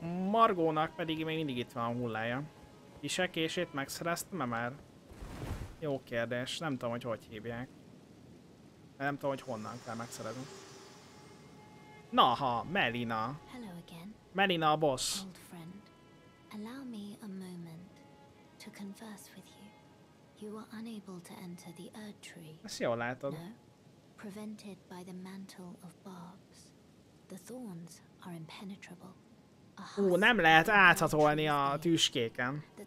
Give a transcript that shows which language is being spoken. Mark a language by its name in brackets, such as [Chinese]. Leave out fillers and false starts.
[Hungarian] Margónak pedig még mindig itt van a hullája. Kisekését megszereztem-e már? Jó kérdés, nem tudom, hogy hogy hívják. Nem tudom, hogy honnan kell megszerezni. Na ha, Melina. [English] Hello again. [Hungarian] Melina a boss. [English] Old friend, allow me a moment to converse with you. You were unable to enter the Erdtree. [Hungarian] Ezt jól látod. [English] No, prevented by the mantle of barbs. The thorns are impenetrable. [Hungarian] Ó, nem lehet áthatolni a tüskéken.